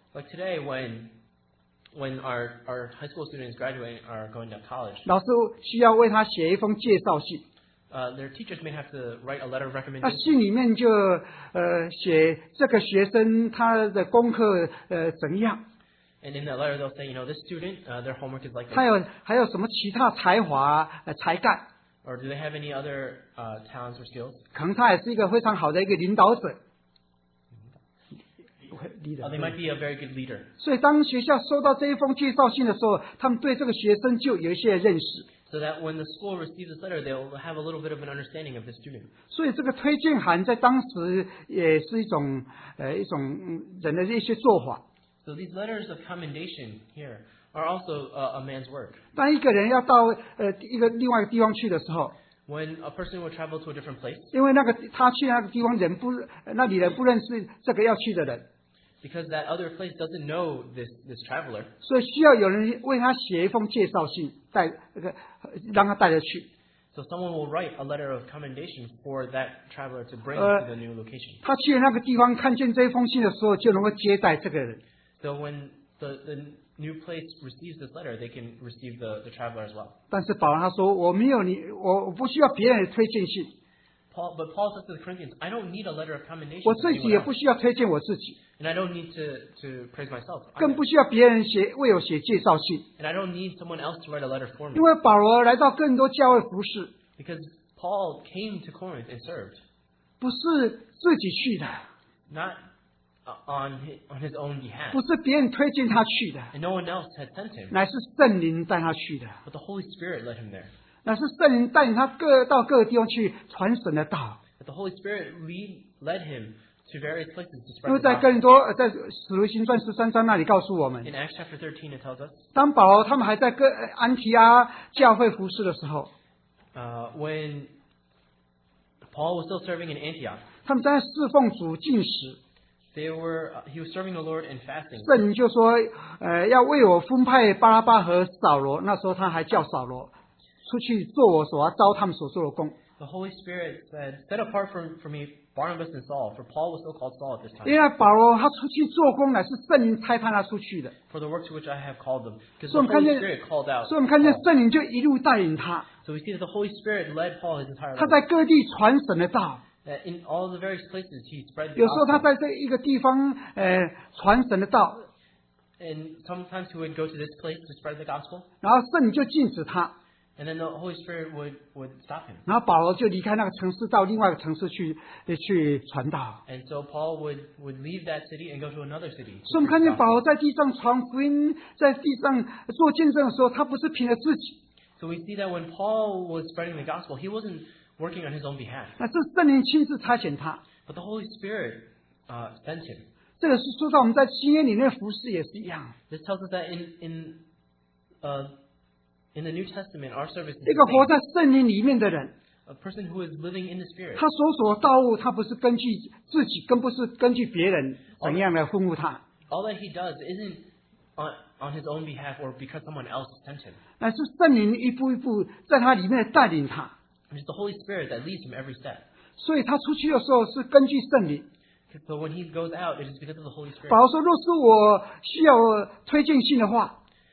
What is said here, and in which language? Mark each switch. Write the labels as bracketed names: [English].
[English] Like today when our high school students graduating are going to college. [Chinese] 老师需要为他写一封介绍信。 [English] Their teachers may have to write a letter of recommendation. [Chinese] 那信里面就写这个学生他的功课怎样。 [English] And in that letter, they'll say, you know, this student, their homework is like. [Chinese] 还有什么其他才华才干。 [English] Or do they have any other talents or skills? [Chinese] 可能他也是一个非常好的一个领导者。 [English] Leader. They might be a very good leader. [Chinese] 所以当学校收到这一封介绍信的时候，他们对这个学生就有一些认识。 [English] So that when the school receives this letter, they'll have a little bit of an understanding of this student. [Chinese] 所以这个推荐函在当时也是一种人的一些做法。 [English] So these letters of commendation here are also a man's work. [Chinese] 当一个人要到另外一个地方去的时候, [English] when a person will travel to a different place, [Chinese] 因为那个他去那个地方人不那里人不认识这个要去的人, [English] because that other place doesn't know this traveler. [Chinese] 所以需要有人为他写一封介绍信带让他带着去. [English] So someone will write a letter of commendation for that traveler to bring to the new location. [Chinese] 他去那个地方看见这封信的时候就能够接待这个人. [English] So when the new place receives this letter, they can receive the traveler as well. [Chinese] 但是保罗他说,我没有你, [English] Paul says to the Corinthians, I don't need a letter of commendation. [Chinese] 我自己也不需要推荐我自己. [English] And I don't need to praise myself. [Chinese] 更不需要别人写,为我写介绍信. [English] And I don't need someone else to write a letter for me. [Chinese] 因为保罗来到更多教会服事. [English] Because Paul came to Corinth and served. [Chinese] 不是自己去的. [English] Not on his own behalf. [Chinese] 不是别人推荐他去的. [English] And no one else had sent him. [Chinese] 乃是圣灵带他去的. [English] But the Holy Spirit led him there. [Chinese] 乃是圣灵带领他到各个地方去传神的道. [English] The Holy Spirit led him to various places to spread the gospel. [Chinese] 在使徒行传13章那里告诉我们, [English] in Acts chapter 13 it tells us, [Chinese] 当保罗他们还在安提阿教会服事的时候, [English] when Paul was still serving in Antioch, [Chinese] 他们在侍奉主禁食, [English] he was serving the Lord and fasting. [Chinese] 圣灵就说, 要为我分派巴拉巴和扫罗, 那时候他还叫扫罗, 出去做我所要招他们所做的工. [English] The Holy Spirit said, set apart for me Barnabas and Saul, for Paul was still called Saul at this time. [Chinese] 因为保罗他出去做工乃是圣灵差派他出去的. [English] For the work to which I have called them. Because the Holy Spirit called out. [Chinese] 所以我们看见圣灵就一路带领他. [English] So we see that the Holy Spirit led Paul his entire life. [Chinese] 他在各地传神的道. [English] That in all the various places he spread the gospel. [Chinese] 有时候他在这一个地方, 传神的道. [English] And sometimes he would go to this place to spread the gospel. [Chinese] 然后圣灵就禁止他. [English] And then the Holy Spirit would stop him. [Chinese] 然后保罗就离开那个城市到另外一个城市去传道. [English] And so Paul would leave that city and go to another city. [Chinese] 所以我们看见保罗在地上传福音，在地上做见证的时候，他不是凭着自己. [English] So we see that when Paul was spreading the gospel, he wasn't working on his own behalf. [Chinese] 那是圣灵亲自差遣他. [English] But the Holy Spirit sent him. [Chinese] 这个是说到我们在新约里面服事也是一样. [English] This tells us that in the New Testament, our service is [Chinese] 一个活在圣灵里面的人, [English] a person who is living in the Spirit. [Chinese] 他所所到物, 他不是根据自己, 更不是根据别人怎样来吩咐他. [English] All that he does isn't on his own behalf or because someone else sent him. [Chinese] 乃是圣灵一步一步在他里面带领他. [English] It's the Holy Spirit that leads him every step. [Chinese] 所以他出去的时候是根据圣灵. [English] So when he goes out, it is because of the Holy Spirit. [Chinese] 保罗说,若是我需要推荐信的话,